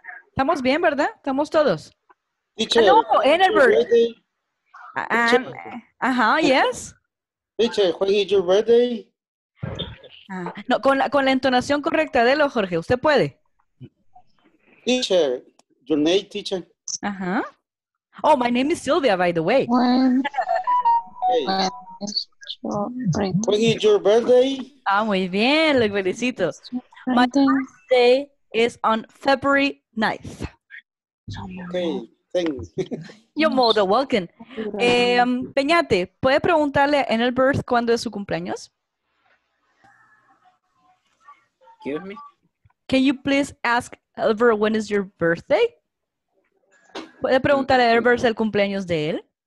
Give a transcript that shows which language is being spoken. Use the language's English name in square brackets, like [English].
[Spanish] ¿Estamos bien, verdad? ¿Estamos todos? [English] Teacher, [Spanish] no, Edelbert. [English] Yes. Biche, when is your birthday? [Spanish] No, con la entonación correcta de lo, Jorge, usted puede. [English] Teacher, your name, teacher. Uh-huh. Oh, my name is Sylvia, by the way. When is your birthday? [Spanish] Ah, muy bien, lo felicito. [English] My birthday is on February 9th. Okay, thanks. You're more than welcome. [Spanish] Peñate, ¿puede preguntarle en el birth cuándo es su cumpleaños? [English] Excuse me. Can you please ask Elber when is your birthday? [Spanish] ¿Puede preguntar a Elber el cumpleaños de él?